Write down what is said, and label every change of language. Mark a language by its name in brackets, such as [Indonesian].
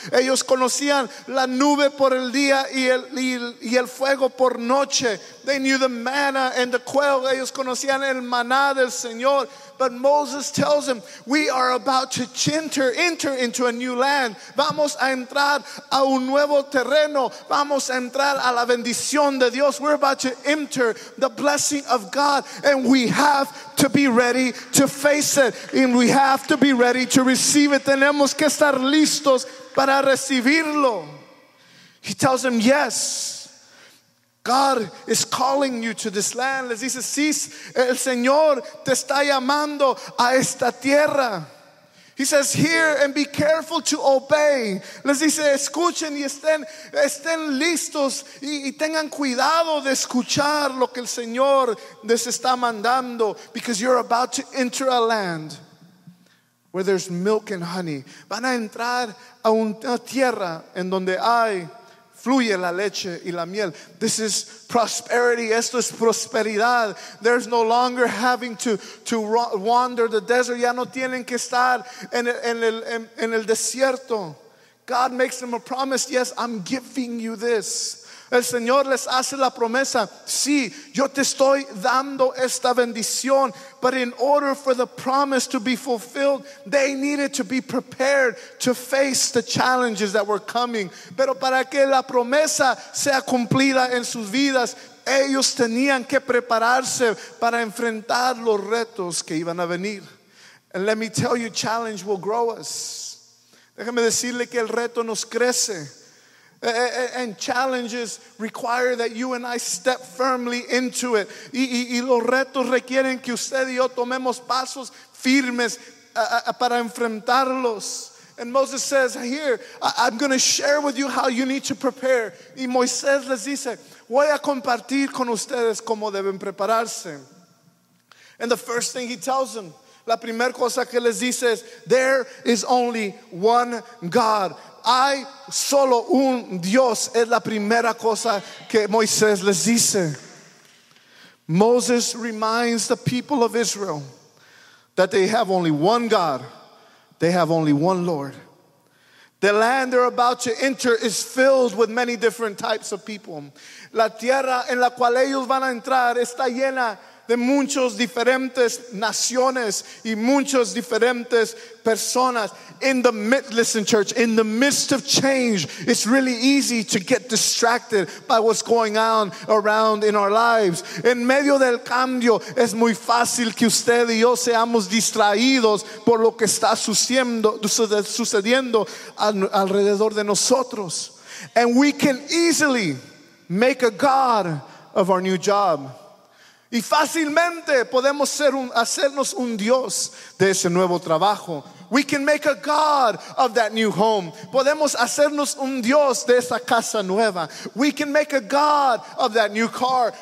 [Spanish] Ellos conocían la nube por el día y el fuego por noche. [English] They knew the manna and the quail. [Spanish] Ellos conocían el maná del Señor. [English] But Moses tells them, we are about to enter into a new land. [Spanish] Vamos a entrar a un nuevo terreno. Vamos a entrar a la bendición de Dios. [English] We're about to enter the blessing of God. And we have to be ready to face it. And we have to be ready to receive it. [Spanish] Tenemos que estar listos para recibirlo. [English] He tells them, yes. God is calling you to this land. [Spanish] Les dice, sí, el Señor te está llamando a esta tierra. [English] He says, hear and be careful to obey. [Spanish] Les dice, escuchen y estén listos y tengan cuidado de escuchar lo que el Señor les está mandando, [English] because you're about to enter a land where there's milk and honey. [Spanish] Van a entrar a una tierra en donde hay fluye la leche y la miel. [English] This is prosperity. [Spanish] Esto es prosperidad. [English] There's no longer having to wander the desert. [Spanish] Ya no tienen que estar en el desierto. [English] God makes them a promise. Yes, I'm giving you this. [Spanish] El Señor les hace la promesa. Sí, yo te estoy dando esta bendición. [English] But in order for the promise to be fulfilled, they needed to be prepared to face the challenges that were coming. [Spanish] Pero para que la promesa sea cumplida en sus vidas, ellos tenían que prepararse para enfrentar los retos que iban a venir. [English] And let me tell you, challenge will grow us. [Spanish] Déjame decirle que el reto nos crece. [English] And challenges require that you and I step firmly into it. [Spanish] Y los retos requieren que usted y yo tomemos pasos firmes para enfrentarlos. [English] And Moses says, here, I'm going to share with you how you need to prepare. [Spanish] Y Moisés les dice, voy a compartir con ustedes cómo deben prepararse. [English] And the first thing he tells them, [Spanish] la primera cosa que les dice es, [English] there is only one God. [Spanish] Hay solo un Dios, es la primera cosa que Moisés les dice. [English] Moses reminds the people of Israel that they have only one God, they have only one Lord. The land they're about to enter is filled with many different types of people. [Spanish] La tierra en la cual ellos van a entrar está llena de muchos diferentes naciones y muchos diferentes personas. [English] In the midst of change, it's really easy to get distracted by what's going on around in our lives. [Spanish] En medio del cambio, es muy fácil que usted y yo seamos distraídos por lo que está sucediendo alrededor de nosotros. [English] And we can easily make a God of our new job. [Spanish] Y fácilmente podemos hacernos un Dios de ese nuevo trabajo. [English] We can make a God of that new home. [Spanish] Podemos hacernos un Dios de esa casa nueva. [English] We can make a God of that new car.